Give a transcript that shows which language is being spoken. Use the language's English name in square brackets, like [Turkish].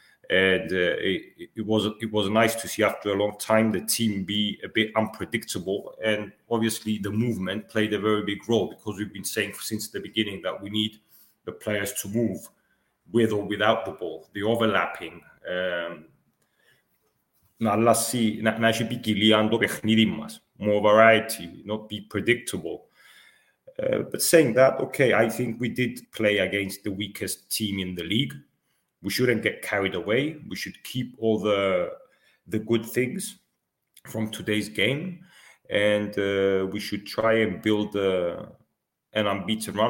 [English] And it was nice to see after a long time the team be a bit unpredictable. And obviously the movement played a very big role, because we've been saying since the beginning that we need the players to move with or without the ball, the overlapping. [Greek] Να έχει ποικιλία αν το παιχνίδι μας. [English] More variety, not be predictable. But saying that, okay, I think we did play against the weakest team in the league. We shouldn't get carried away. We should keep all the good things from today's game. And we should try and build an unbeaten run.